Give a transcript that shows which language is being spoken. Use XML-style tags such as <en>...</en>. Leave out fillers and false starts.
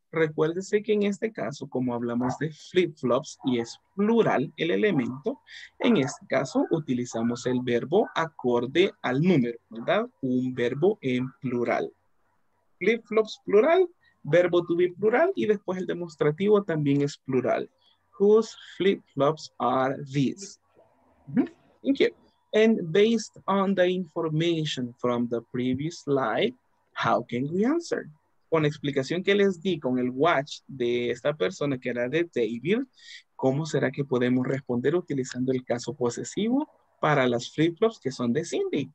<es>Recuérdese que en este caso, como hablamos de flip-flops y es plural el elemento, en este caso utilizamos el verbo acorde al número, ¿verdad? Un verbo en plural. Flip-flops plural, verbo to be plural y después el demostrativo también es plural.</es> <en>Whose flip-flops are these? Thank you. And based on the information from the previous slide, how can we answer?</en> <es>Con la explicación que les di con el watch de esta persona que era de David, ¿cómo será que podemos responder utilizando el caso posesivo para las flip-flops que son de Cindy?</es>